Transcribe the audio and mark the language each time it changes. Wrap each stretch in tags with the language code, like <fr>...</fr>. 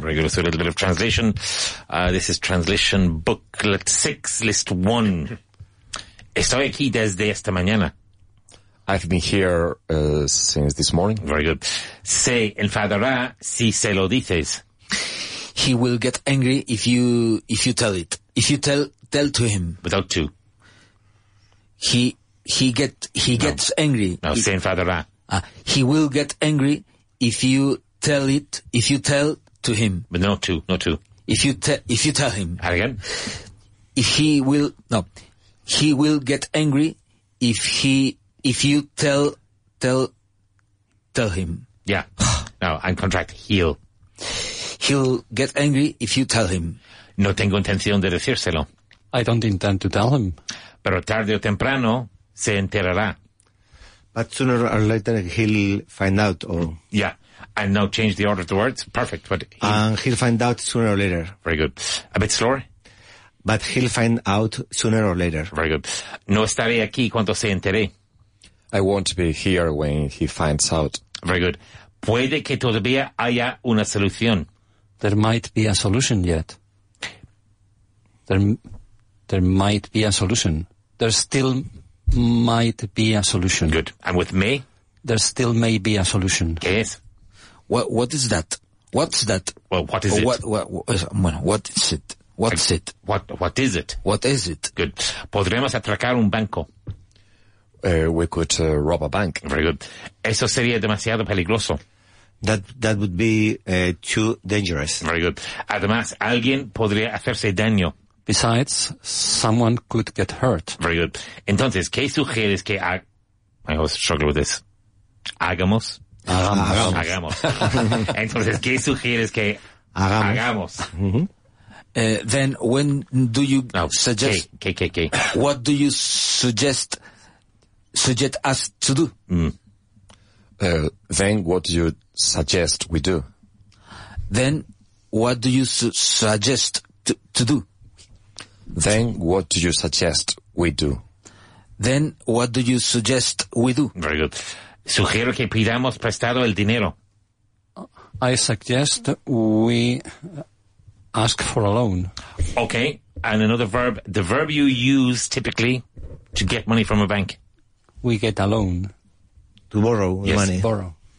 <en>Very good. So a little bit of translation. This is translation booklet 6, list 1.</en> <es>Estoy aquí desde esta mañana.</es> <en>I've been here since this morning. Very good.</en> <es>Se enfadará si se lo dices.</es> <en>He will get angry if you tell it. If you tell to him. Without to. He gets angry.</en> <es>No, se enfadará.</es> <en>He will get angry if you tell to him. But no to. If you tell him. And again. He will get angry if you tell him. Yeah. No, and contract heel. He'll get angry if you tell him.</en> <es>No tengo intención de decírselo.</es> <en>I don't intend to tell him.</en> <es>Pero tarde o temprano se enterará.</es> <en>But sooner or later he'll find out. Yeah. And now change the order of the words. Perfect. But he'll find out sooner or later. Very good. A bit slower. But he'll find out sooner or later. Very good.</en> <es>No estaré aquí cuando se enteré.</es> <en>I won't be here when he finds out. Very good.</en> <es>Puede que todavía haya una solución.</es> <en>There might be a solution yet. There might be a solution. There still might be a solution. Good. And with me? There still may be a solution.</en> <es>¿Qué es?</es> <en>What is that? What's that? Well, what is it? What is it? What's it? What is it? What is it? Good.</en> <es>¿Podremos atracar un banco?</es> <en>We could rob a bank. Very good.</en> <es>Eso sería demasiado peligroso.</es> <en>That would be too dangerous. Very good.</en> <es>Además, alguien podría hacerse daño.</es> <en>Besides, someone could get hurt. Very good.</en> <es>Entonces, ¿qué sugieres que haga?</es> <en>I always struggle with this.</en> <es>Hagamos. Hagamos. Entonces, ¿qué sugieres que hagamos?</es> <en>Then, when do you suggest?</en> <es>¿Qué?</es> <en>What do you suggest us to do? Then, what do you suggest we do? Then, what do you suggest to do? Then, what do you suggest we do? Then, what do you suggest we do? Very good.</en> <es>Sugiero que pidamos prestado el dinero.</es> <en>I suggest we ask for a loan. Okay, and another verb. The verb you use typically to get money from a bank. We get a loan. To borrow the money. Yes, borrow.</en>